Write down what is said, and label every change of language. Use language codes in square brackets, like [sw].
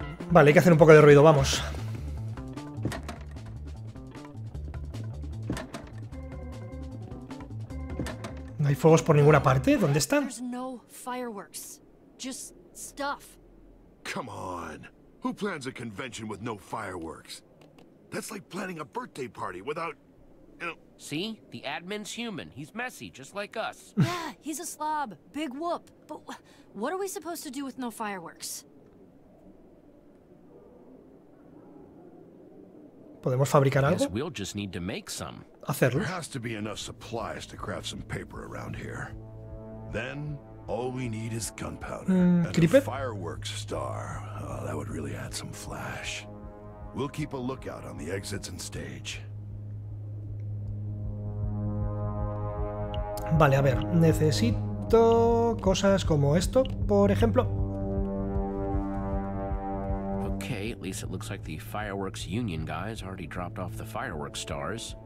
[es] Vale, hay que hacer un poco de ruido, vamos. No hay fuegos por ninguna parte, ¿dónde están? [en] There's no fireworks. Just stuff. Come on. Who plans a convention with no fireworks? That's like planning a birthday party without See? The admin's human. He's messy, just like us. Yeah, he's a slob. Big whoop. But what are we supposed to do with no fireworks? [es] ¿Podemos fabricar algo? [en] We'll just need to make some. [es] Hacerlo. [en] There has to be enough supplies to craft some paper around here. Then, all we need is gunpowder. [es] ¿Creeper? [en] And a fireworks star. Oh, that would really add some flash. We'll keep a lookout on the exits and stage. [es] Vale, a ver, necesito cosas como esto, por ejemplo. [en] Okay, at least it looks like the fireworks union guys already dropped off the fireworks stars.